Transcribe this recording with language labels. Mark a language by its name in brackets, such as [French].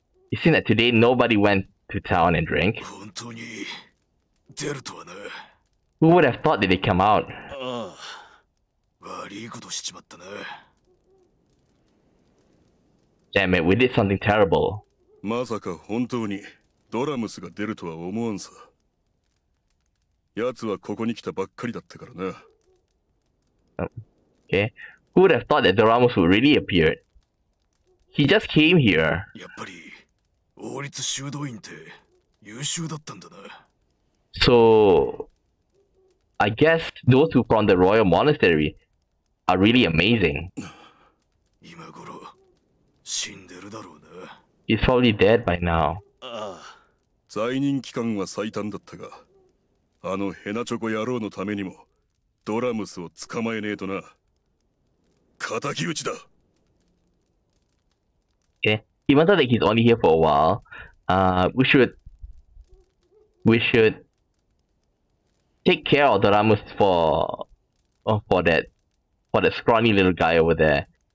[English] It seems that today nobody went to town and drink. [Japanese] 本当に出るとはな。 [English] Who would have thought that they come out? [Japanese] ああ、悪いことしちまったな。 [English] Damn it, we did something terrible. [Japanese] まさか本当にドラムスが出るとは思わんさ。やつはここに来たばっかりだったからな。 [English] Okay. Who would have thought that Doramus would really appear? He just came here. [Japanese] やっぱり王立修道院って優秀だったんだな。 [English] So, I guess those who from the Royal Monastery are really amazing. [Japanese] 今頃死んでるだろうな。 [English] He's probably dead by now. [Japanese] ああ。在任期間は最短だったが、あのヘナチョコ野郎のためにも、ドラムスを捕まえねえとな。敵討ちだ。 [English] Okay. Even though he's only here for a while, we should take care of Doramus for that scrawny little guy over there.